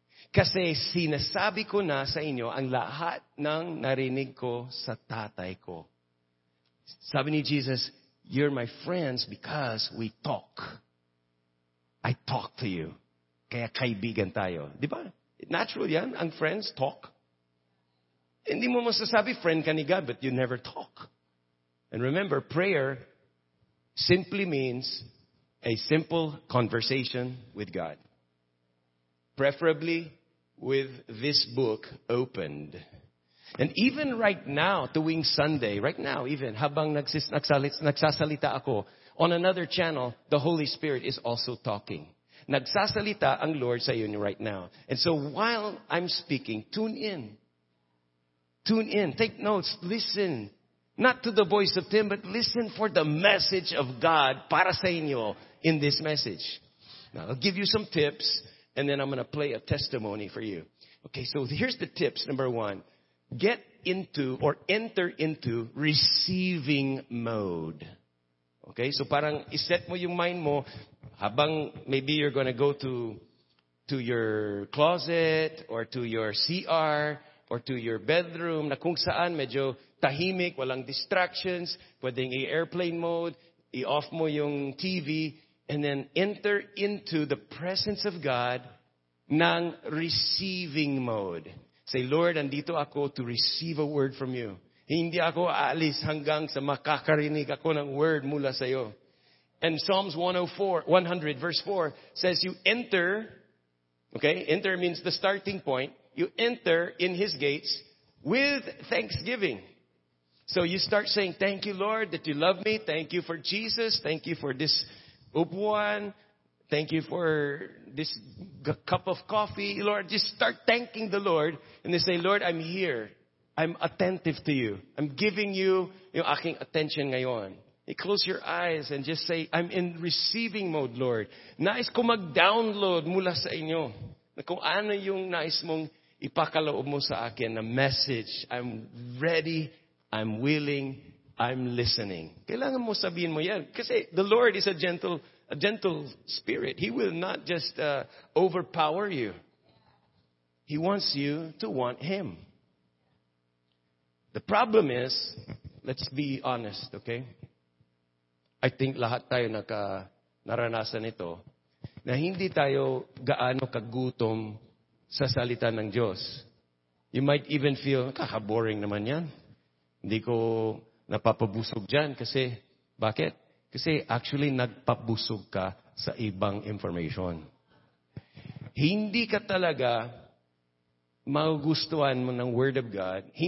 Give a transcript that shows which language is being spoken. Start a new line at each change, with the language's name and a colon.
Filipino: Kasi sinasabi ko na sa inyo ang lahat ng narinig ko sa tatay ko. Sabi ni Jesus,
English: you're my friends because we talk. I talk to you.
Filipino: Kaya kaibigan tayo. Di ba? Natural yan, ang
English: friends talk.
Filipino: Hindi mo masasabi
English: friend ka ni God, but you never talk. And remember, prayer simply means a simple conversation with God. Preferably with this book opened. And even right now, tuwing Sunday, right now even,
Filipino: habang nagsasalita ako,
English: on another channel, the Holy Spirit is also talking.
Filipino: Nagsasalita ang Lord sa inyo
English: right now. And so while I'm speaking, tune in, take notes, listen. Not to the voice of Tim, but listen for the message of God para sa inyo in this message. Now, I'll give you some tips, and then I'm going to play a testimony for you. Okay, so here's the tips. Number one, get into or enter into receiving mode. Okay, so
Filipino: parang iset mo yung mind mo habang
English: maybe you're going to go to your closet or to your CR, or to your bedroom,
Filipino: na kung saan medyo tahimik, walang distractions, pwedeng i-airplane mode, i-off mo yung TV,
English: and then enter into the presence of God
Filipino: ng receiving mode.
English: Say, Lord,
Filipino: andito ako
English: to receive a word from you.
Filipino: Hindi ako aalis hanggang sa makakarinig ako ng word mula sa iyo.
English: And Psalms 100 verse 4 says you enter, okay, enter means the starting point, you enter in His gates with thanksgiving. So you start saying, thank you, Lord, that you love me. Thank you for Jesus. Thank you for this upuan. Thank you for this cup of coffee. Lord, just start thanking the Lord. And they say, Lord, I'm here. I'm attentive to you. I'm giving you
Filipino: yung aking attention ngayon.
English: You close your eyes and just say, I'm in receiving mode, Lord.
Filipino: Nais ko mag-download mula sa inyo. Kung ano yung nais mong ipakaloob mo sa akin, a message.
English: I'm ready. I'm willing. I'm listening.
Filipino: Kailangan mo sabihin mo yan. Kasi
English: the Lord is a gentle spirit. He will not just overpower you. He wants you to want Him. The problem is, let's be honest, okay? I think
Filipino: lahat tayo naranasan ito, na hindi tayo gaano kagutom sa salita ng Diyos.
English: You might even feel,
Filipino: kaka-boring naman yan. Hindi ko napapabusog dyan kasi, bakit? Kasi actually nagpabusog ka sa ibang information. Hindi ka talaga magugustuhan mo ng Word of God.